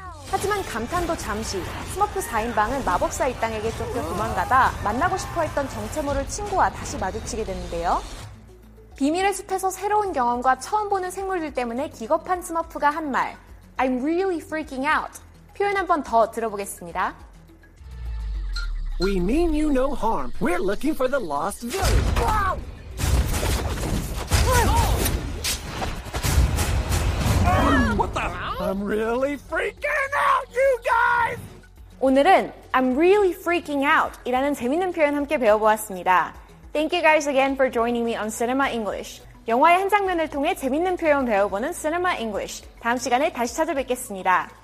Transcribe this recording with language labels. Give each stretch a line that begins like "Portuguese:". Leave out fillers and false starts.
Korean: 하지만 감탄도 잠시, 스머프 4인방은 마법사 일당에게 쫓겨 도망가다 만나고 싶어 했던 정체모를 친구와 다시 마주치게 되는데요. 비밀의 숲에서 새로운 경험과 처음 보는 생물들 때문에 기겁한 스머프가 한 말,
English: I'm really freaking out.
Korean: 표현 한 번 더 들어보겠습니다.
English: We mean you no harm. We're looking for the lost village. Wow! What the hell? I'm really freaking out, you guys!
Korean: 오늘은
English: I'm really freaking out
Korean: 이라는 재밌는 표현 함께 배워보았습니다.
English: Thank you guys again for joining me on Cinema English.
Korean: 영화의 한 장면을 통해 재밌는 표현 배워보는 Cinema English. 다음 시간에 다시 찾아뵙겠습니다.